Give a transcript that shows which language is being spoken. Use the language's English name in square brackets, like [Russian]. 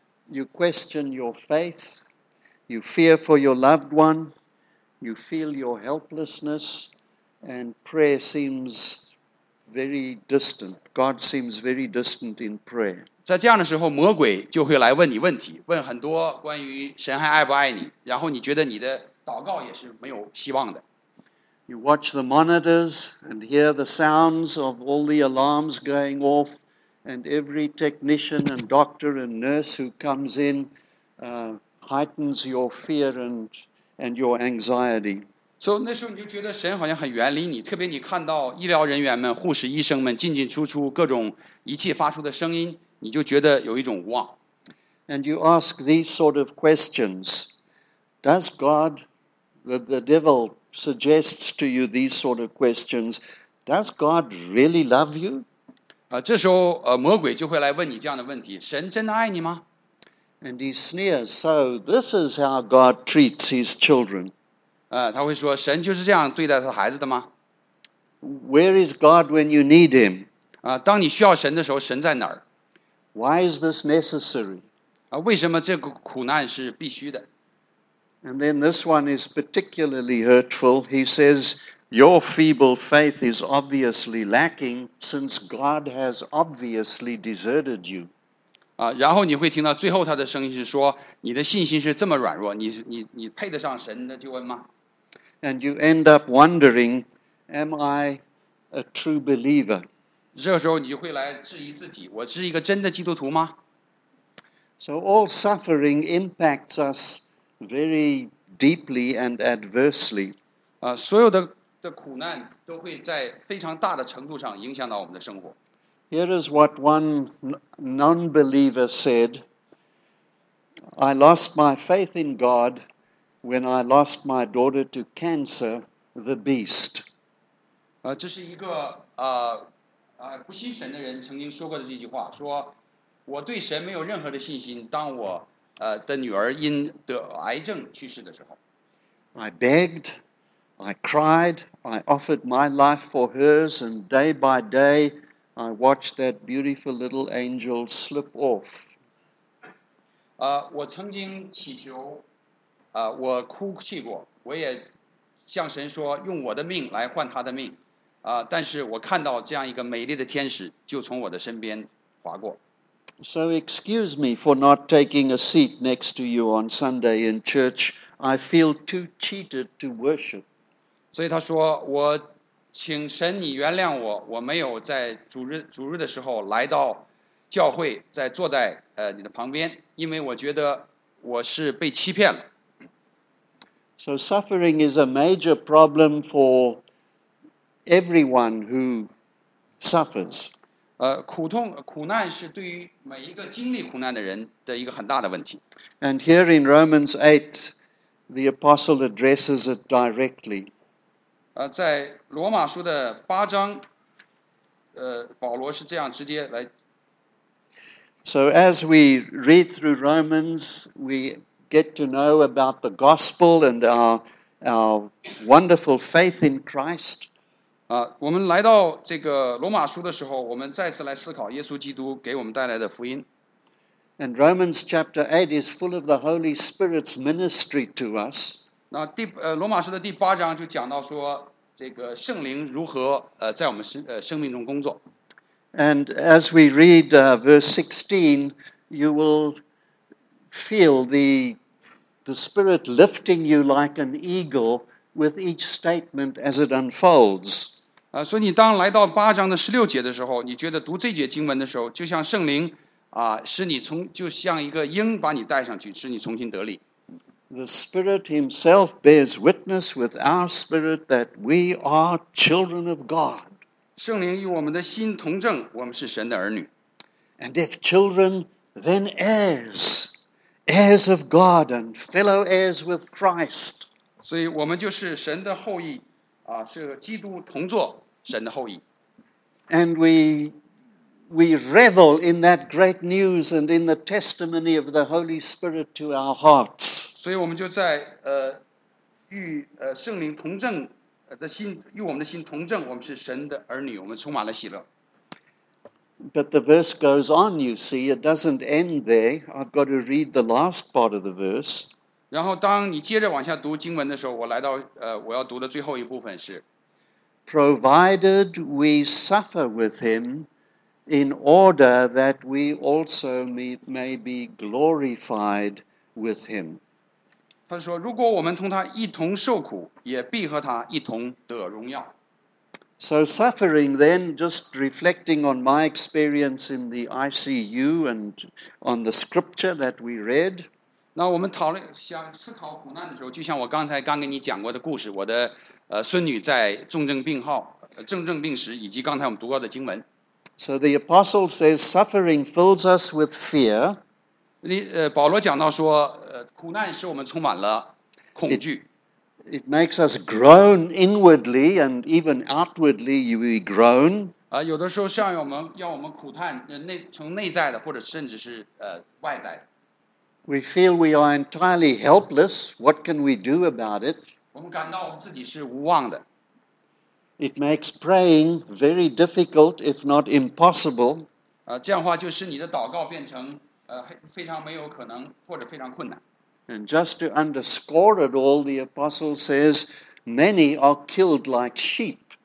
[English] you question your faith, you fear for your loved one, you feel your helplessness, and prayer seems very distant. God seems very distant in prayer. [Chinese] 在这样的时候，魔鬼就会来问你问题，问很多关于神还爱不爱你，然后你觉得你的祷告也是没有希望的。 [English] You watch the monitors and hear the sounds of all the alarms going off, and every technician and doctor and nurse who comes in, heightens your fear and your anxiety. [Chinese] So 那时候你就觉得神好像很远离你，特别你看到医疗人员们、护士、医生们进进出出，各种仪器发出的声音，你就觉得有一种无望。 [English] And you ask these sort of questions: Does God, the devil suggests to you these sort of questions? Does God really love you? [Chinese] 这时候魔鬼就会来问你这样的问题：神真的爱你吗？ [English] And he sneers, so this is how God treats his children. [Chinese] 他会说神就是这样对待他孩子的吗？ [English] Where is God when you need him? [Chinese] 当你需要神的时候神在哪儿？ [English] Why is this necessary? [Chinese] 为什么这个苦难是必须的？ [English] And then this one is particularly hurtful. He says, your feeble faith is obviously lacking since God has obviously deserted you. [Chinese] 然后你会听到最后他的声音是说你的信心是这么软弱 你配得上神的救恩吗 [English] And you end up wondering, am I a true believer? [Chinese] 这时候你就会来质疑自己我是一个真的基督徒吗 [English] So all suffering impacts us very deeply and adversely. [Chinese] 所有 的苦难都会在非常大的程度上影响到我们的生活。 [English] Here is what one non-believer said. I lost my faith in God when I lost my daughter to cancer, the beast. [Chinese] 这是一个不信神的人曾经说过的这句话，说我对神没有任何的信心，当我的女儿因得癌症去世的时候。 [English] I begged, I cried, I offered my life for hers, and day by day,I watched that beautiful little angel slip off. [Chinese] 我曾经祈求，我哭泣过，我也向神说用我的命来换他的命，但是我看到这样一个美丽的天使就从我的身边划过。 [English] So excuse me for not taking a seat next to you on Sunday in church. I feel too cheated to worship. [Chinese] 所以他说我。请神你原谅我我没有在主日的时候来到教会在坐在你的旁边因为我觉得我是被欺骗了。 [English] So suffering is a major problem for everyone who suffers. [Chinese] 苦难是对于每一个经历苦难的人的一个很大的问题。 [English] And here in Romans 8, the apostle addresses it directly. [Chinese] 在罗马书的八章，保罗是这样直接来。 [English] So as we read through Romans, we get to know about the gospel and our wonderful faith in Christ. [Chinese] 我们来到这个罗马书的时候，我们再次来思考耶稣基督给我们带来的福音。 [English] And Romans chapter 8 is full of the Holy Spirit's ministry to us. [Chinese] 那罗马书的第八章就讲到说，这个圣灵如何在我们生命中工作。 [English] And as we read verse 16, you will feel the Spirit lifting you like an eagle with each statement as it unfolds. [Chinese] 所以你当来到八章的十六节的时候，你觉得读这节经文的时候，就像圣灵使你就像一个鹰把你带上去，使你重新得力。 [English] The Spirit Himself bears witness with our spirit that we are children of God. [Chinese] 圣灵与我们的心同证，我们是神的儿女。 [English] And if children, then heirs of God and fellow heirs with Christ. [Chinese] 所以我们就是神的后裔，是基督同作神的后裔。 [English] And we revel in that great news and in the testimony of the Holy Spirit to our hearts. [Chinese] 所以我们就在与圣灵同证的心与我们的心同证我们是神的儿女我们充满了喜乐。 [English] But the verse goes on, you see, it doesn't end there. I've got to read the last part of the verse. [Chinese] 然后当你接着往下读经文的时候我来到我要读的最后一部分是。 [English] Provided we suffer with him, in order that we also may be glorified with him. [Chinese] 他说，如果我们同他一同受苦，也必和他一同得荣耀。 [English] So suffering then, just reflecting on my experience in the ICU and on the scripture that we read. [Chinese] 那我们讨论想思考苦难的时候，就像我刚才刚跟你讲过的故事，我的孙女在重症病号重症病时，以及刚才我们读过的经文。 [English] So the apostle says suffering fills us with fear. [Chinese] 保罗讲到说，苦难使我们充满了恐惧。 [English] It makes us groan inwardly and even outwardly we groan. [Chinese] 有的时候像要我们苦叹，从内在的或者甚至是外在的。 [English] We feel we are entirely helpless. What can we do about it? [Chinese] 我们感到我们自己是无望的。 [English] It makes praying very difficult, if not impossible. [Chinese] 这样的话就是你的祷告变成非常没有可能或者非常困难。 [English] And just to underscore it all, the apostle says, many are killed like sheep.